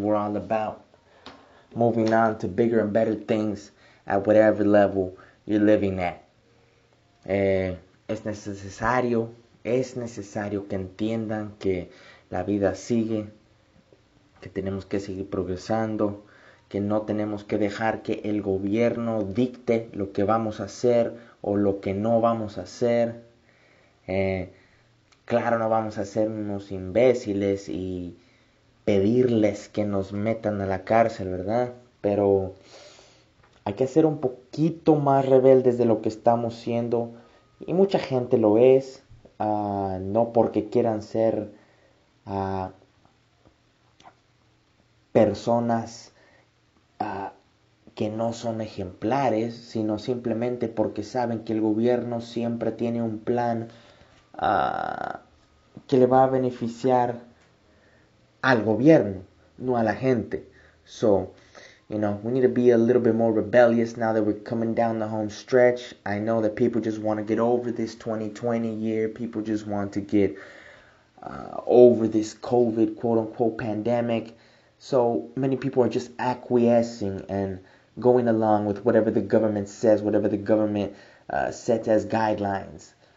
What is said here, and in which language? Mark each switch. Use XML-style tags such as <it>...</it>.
<en>We're all about moving on to bigger and better things at whatever level you're living at.</en> <es>Es necesario que entiendan que la vida sigue, que tenemos que seguir progresando, que no tenemos que dejar que el gobierno dicte lo que vamos a hacer o lo que no vamos a hacer. Claro, no vamos a ser unos imbéciles y pedirles que nos metan a la cárcel, ¿verdad? Pero hay que ser un poquito más rebeldes de lo que estamos siendo. Y mucha gente lo es, no porque quieran ser personas que no son ejemplares, sino simplemente porque saben que el gobierno siempre tiene un plan que le va a beneficiar al gobierno, no a la gente.</es> <en>So, you know, we need to be a little bit more rebellious now that we're coming down the home stretch. I know that people just want to get over this 2020 year. People just want to get over this COVID, quote-unquote, pandemic. So many people are just acquiescing and going along with whatever the government says, whatever the government sets as guidelines.</en>